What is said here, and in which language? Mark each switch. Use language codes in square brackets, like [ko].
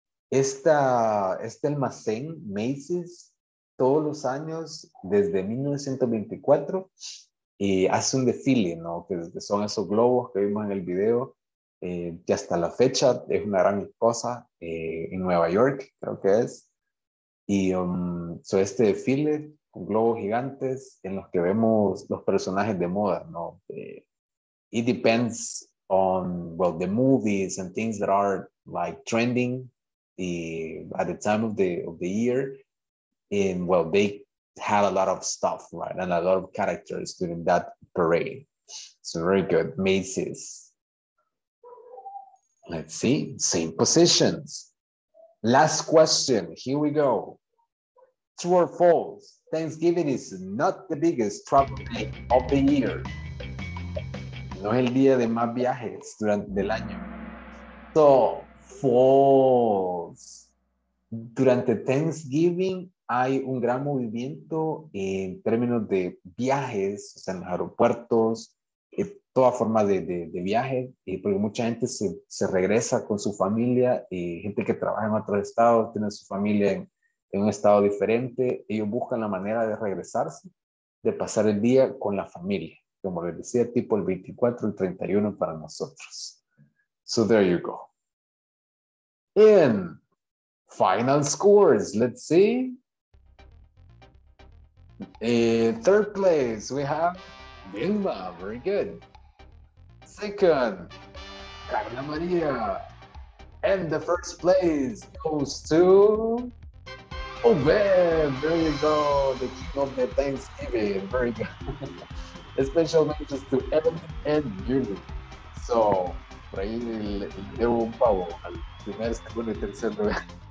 [es] Este almacén, Macy's, todos los años, desde 1924, hace un desfile, ¿no? Que son esos globos que vimos en el video, que hasta la fecha es una gran cosa, en Nueva York, creo que es. Y so este desfile con globos gigantes en los que vemos los personajes de moda, ¿no? [en] It depends on, well, the movies and things that are like trending at the time of the year. And well, they had a lot of stuff, right? And a lot of characters during that parade. So very good, Macy's. Let's see, same positions. Last question, here we go. True or false, Thanksgiving is not the biggest travel day of the year. [es] No es el día de más viajes durante el año. [en] So, false. [es] Durante Thanksgiving hay un gran movimiento en términos de viajes, o sea, en los aeropuertos, toda forma de viaje, porque mucha gente se regresa con su familia, gente que trabaja en otros estados, tiene su familia en un estado diferente, ellos buscan la manera de regresarse, de pasar el día con la familia. Como les decía, tipo el 24, el 31 para nosotros. [en] So there you go. In final scores, let's see. Third place, we have Vilma, very good. Second, Carla Maria. And the first place goes to Oben. There you go, the king of the Thanksgiving, very good. Special mentions to Evan and Yuri. [es] So, por ahí le debo un pavo al primer, segundo y tercer lugar.